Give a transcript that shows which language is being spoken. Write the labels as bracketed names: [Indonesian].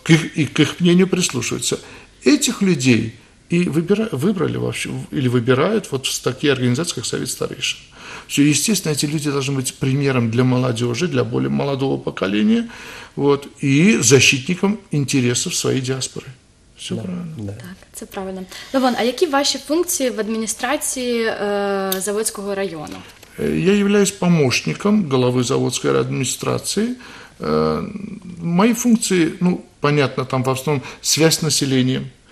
[Russian] К их мнению прислушиваются. Этих людей и выбрали вообще, или выбирают вот в такие организации, как Совет старейшин. Все, естественно, эти люди должны быть примером для молодежи, для более молодого поколения, вот, и защитником интересов своей диаспоры. Все, да, правильно. [Ukrainian] Да. Так, це правильно. Левон, а які ваші функції в адміністрації Заводського району? [Russian] Я являюсь помощником главы Заводской администрации. Мои функции, ну, понятно, там в основном связь с населением.